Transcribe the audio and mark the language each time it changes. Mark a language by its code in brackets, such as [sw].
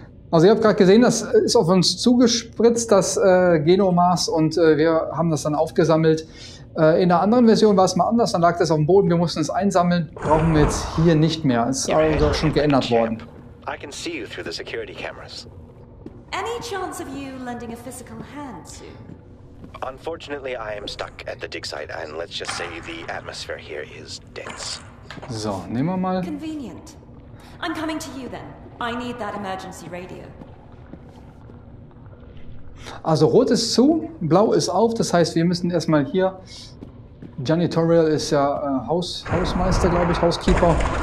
[de] Also ihr habt gerade gesehen, das ist auf uns zugespritzt, das Genomaß, und wir haben das dann aufgesammelt. In der anderen Version war es mal anders, dann lag das auf dem Boden, wir mussten es einsammeln. Brauchen wir jetzt hier nicht mehr, es ist also schon geändert worden. [en] I can see you through the security cameras. Any chance of you lending a physical hand to? Unfortunately, I am stuck at the dig site, and let's just say the atmosphere here is dense. [de] So, nehmen wir mal. [en] Convenient. I'm coming to you then. I need that emergency radio. [de] Also rot ist zu, blau ist auf, das heißt wir müssen erstmal hier. Janitorial ist ja Hausmeister, glaube ich, Housekeeper.